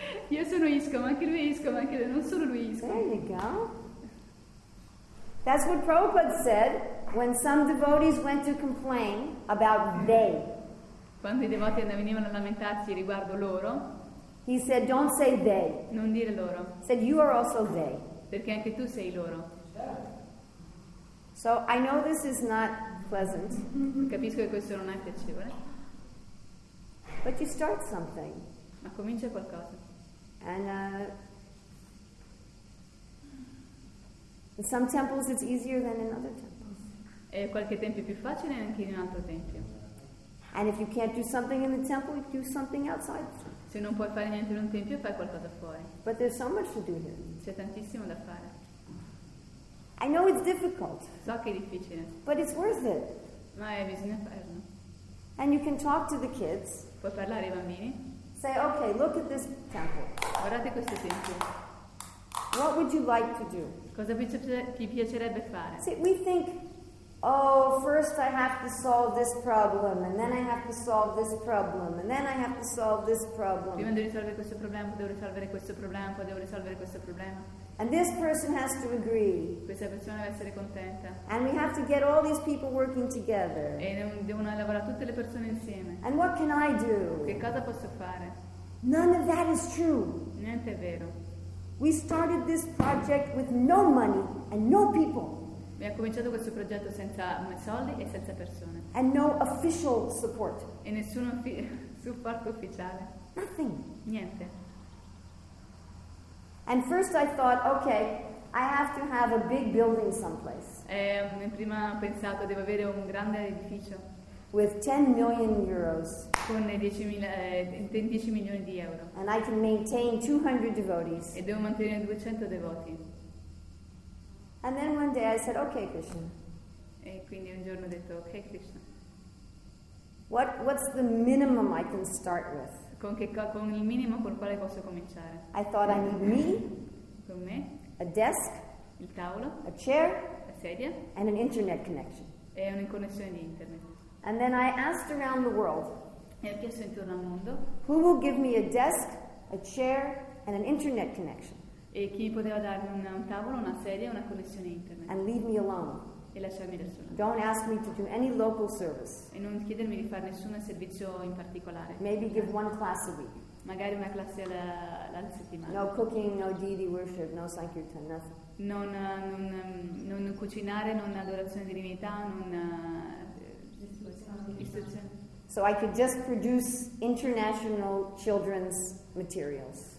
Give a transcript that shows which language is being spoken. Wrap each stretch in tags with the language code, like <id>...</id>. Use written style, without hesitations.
<it>Io sono ISKCON, ma anche lui è ISKCON, ma anche lui, non solo lui è ISKCON.</it> <en>There you go. That's what Prabhupada said when some devotees went to complain about they.</en> <it>Quando i devoti venivano a lamentarsi riguardo loro,</it> <en>he said, don't say they.</en> <it>Non dire loro.</it> <en>Said, you are also they.</en> <it>Perché anche tu sei loro.</it> <en>So I know this is not pleasant.</en> <it>Capisco che questo non è piacevole.</it> <en>But you start something.</en> <it>Ma comincia qualcosa.</it> <en>And in some temples it's easier than in other temples.</en> <it>E qualche tempio è più facile anche in un altro tempio.</it> <en>And if you can't do something in the temple, you do something outside.</en> <it>Se non puoi fare niente in un tempio, fai qualcosa fuori.</it> <en>But there's so much to do here.</en> <it>C'è tantissimo da fare.</it> <en>I know it's difficult.</en> <it>So che è difficile.</it> <en>But it's worth it.</en> <it>Ma è bisogna farlo.</it> <en>And you can talk to the kids.</en> <it>Puoi parlare ai bambini.</it> <en>Say, okay, look at this temple.</en> <it>Guardate questo tempio.</it> <en>What would you like to do?</en> <it>Cosa vi piacerebbe fare?</it> <en>See, we think, oh, first I have to solve this problem, and then I have to solve this problem, and then I have to solve this problem.</en> <it>Prima di risolvere questo problema, poi devo risolvere questo problema, poi devo risolvere questo problema.</it> <en>And this person has to agree.</en> <it>Questa persona deve essere contenta.</it> <en>And we have to get all these people working together.</en> <it>E devono lavorare tutte le persone insieme.</it> <en>And what can I do?</en> <it>Che cosa posso fare?</it> <en>None of that is true.</en> <it>Niente è vero.</it> <en>We started this project with no money and no people.</en> <it>Abbiamo cominciato questo progetto senza soldi e senza persone.</it> <en>And no official support.</en> <it>E nessun supporto ufficiale.</it> <en>Nothing.</en> <it>Niente.</it> <en>And first I thought, okay, I have to have a big building someplace.</en> <it>Prima ho pensato devo avere un grande edificio.</it> <en>With 10 million euros.</en> <it>Con 10 milioni di euro.</it> <en>And I can maintain 200 devotees.</en> <it>E devo mantenere 200 devoti.</it> <en>And then one day I said, okay, Krishna.</en> <it>E quindi un giorno ho detto, okay, Krishna.</it> <en>What's the minimum I can start with?</en> <it>Con il minimo col quale posso cominciare.</it> <en>I thought I need me.</en> <it>Con me.</it> <en>A desk.</en> <it>Il tavolo.</it> <en>A chair.</en> <it>La sedia.</it> <en>And an internet connection.</en> <it>E una connessione di internet.</it> <en>And then I asked around the world.</en> <it>E ho chiesto intorno al mondo.</it> <en>Who will give me a desk, a chair, and an internet connection?</en> <it>E chi poteva darmi un tavolo, una sedia e una connessione internet?</it> <en>And leave me alone.</en> <it>E lasciarmi da sola.</it> <en>Don't ask me to do any local service.</en> <it>E non chiedermi di fare nessun servizio in particolare.</it> <en>Maybe give one class a week.</en> <it>Magari una classe alla settimana.</it> <en>No cooking, no deity worship, no sankirtan, nothing.</en> <it>Non cucinare, non adorazione di divinità, non istruzione.</it> <en>So I could just produce international children's materials.</en>